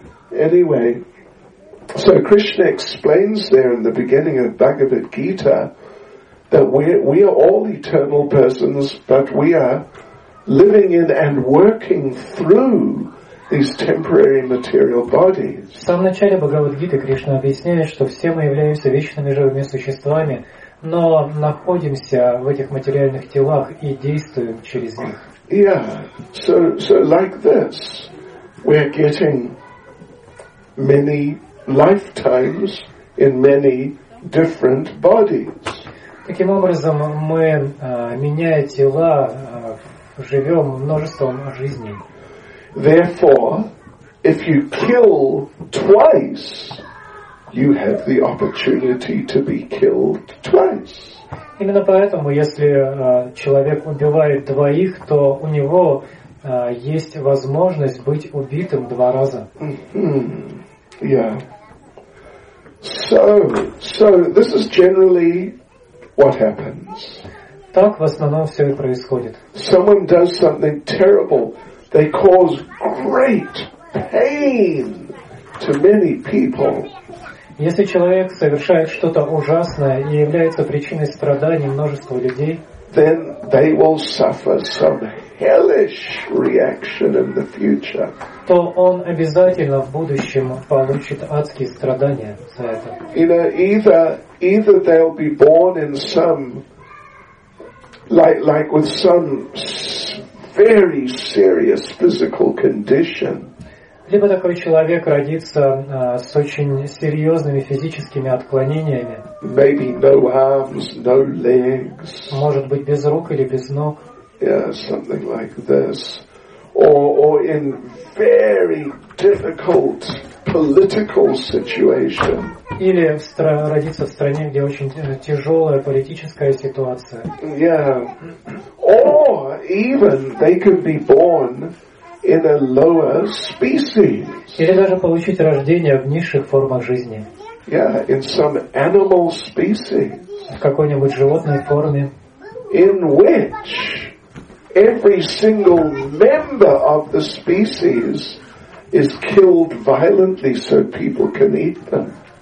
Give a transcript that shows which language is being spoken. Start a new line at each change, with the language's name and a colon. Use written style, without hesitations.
English: Anyway, so Krishna explains there in the beginning of Bhagavad Gita that we are all eternal persons, but we are living in and working through these temporary material bodies.
Russian: В самом начале Бхагавад-гиты Кришна объясняет, что все мы являемся вечными живыми существами, но находимся в этих материальных телах и действуем через них.
English: Yeah, so like this, we're getting many lifetimes in many different bodies.
Russian: Таким образом, мы, меняя тела, живем множеством жизней.
English: Therefore, if you kill twice, you have the opportunity to be killed twice.
Russian: Именно поэтому, если человек убивает двоих, то у него есть возможность быть убитым два раза.
English: Yeah. So this is generally what happens.
Russian: Так в основном все и происходит.
English: Someone does something terrible. They cause great pain to many people.
Russian: Если человек совершает что-то ужасное и является причиной страданий множества людей,
English: then they will suffer some hellish reaction in the future.
Russian: То он обязательно в будущем получит адские страдания за это.
English: You know, either they'll be born in some like with some very serious physical condition.
Russian: Либо такой человек родится с очень серьезными физическими отклонениями.
English: Maybe no arms, no legs.
Russian: Может быть без рук или без ног.
English: Yeah, something like this, or in very difficult political situation.
Russian: Или родиться в стране, где очень тяжелая политическая ситуация.
English: Yeah, or even they could be born in a lower species.
Russian: Или даже получить рождение в низших формах жизни.
English: Yeah, in some animal species.
Russian: В какой-нибудь животной форме.
English: In which every single member of the species is killed violently so people can eat them.